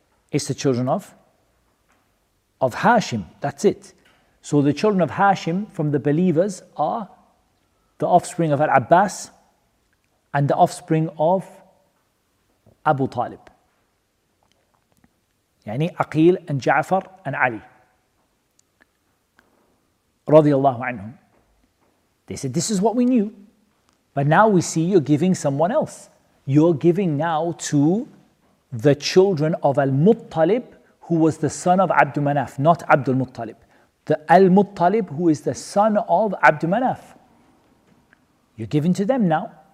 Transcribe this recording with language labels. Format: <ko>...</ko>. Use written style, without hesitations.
<en>It's the children of Hashim. That's it. So the children of Hashim from the believers are the offspring of Al-Abbas and the offspring of Abu Talib.</en> <ar>يعني عقيل and جعفر and علي رضي الله عنهم.</ar> <en>They said, this is what we knew, but now we see you're giving someone else. You're giving now to the children of Al-Muttalib, who was the son of Abd Manaf, not Abd al-Muttalib. The Al-Muttalib, who is the son of Abd Manaf, you're giving to them now.</en>